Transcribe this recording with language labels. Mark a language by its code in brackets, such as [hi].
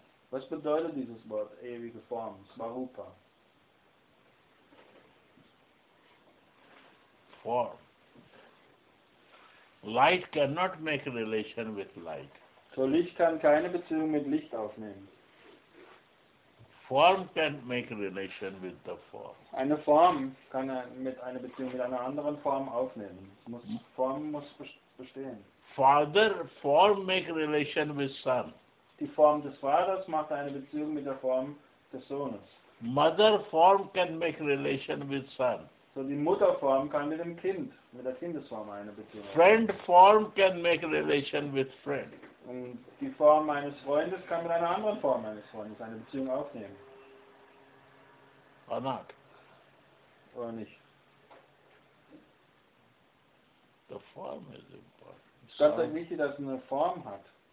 [de] Was bedeutet dieses Wort, ewige Form, Swarupa? Form. [en] Light cannot make a relation with light. [de] So Licht kann keine Beziehung mit Licht aufnehmen. [en] Form can make a relation with the form. [de] Eine Form kann mit einer Beziehung mit einer anderen Form aufnehmen. Form muss bestehen. [en] Father, form make a relation with son. [de] Die Form des Vaters macht eine Beziehung mit der Form des Sohnes. [en] Mother form can make a relation with son. [de] So die Mutterform kann mit dem Kind, mit der Kindesform eine Beziehung. [en] Friend form can make a relation with friend. [de] Und die Form eines Freundes kann mit einer anderen Form eines Freundes eine Beziehung aufnehmen. [en] Or not? [de] Oder nicht? [en] The form is important. [de] Gott sagt nicht, dass es eine Form hat.